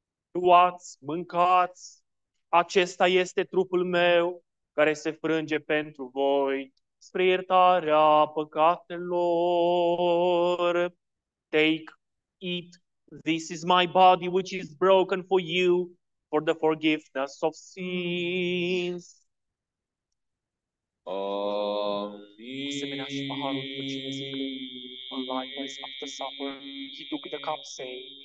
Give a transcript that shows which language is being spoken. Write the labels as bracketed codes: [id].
[ro] luați, mâncați, acesta este trupul meu care se frânge pentru voi spre iertarea păcatelor. [en] Take, eat, this is my body which is broken for you for the forgiveness of sins. [ro] Asemenea și paharul cu cine zicând, în [en] likewise after supper, he took the cup saying,